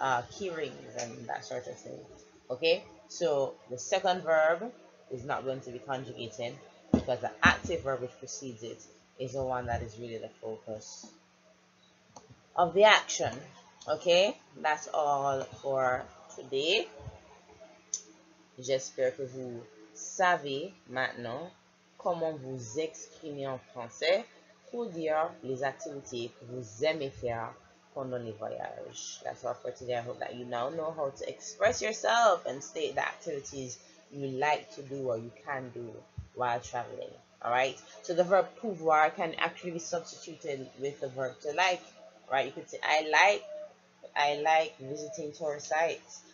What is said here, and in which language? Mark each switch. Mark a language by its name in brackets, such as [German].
[English] Key rings and that sort of thing. Okay, so the second verb is not going to be conjugated because the active verb which precedes it is the one that is really the focus of the action. Okay, that's all for today. [French] J'espère que vous savez maintenant comment vous exprimer en français pour dire les activités que vous aimez faire pendant les voyages. [English] That's all for today. I hope that you now know how to express yourself and state the activities you like to do or you can do while traveling. Alright? So the verb pouvoir can actually be substituted with the verb to like. Right? You could say, I like visiting tourist sites.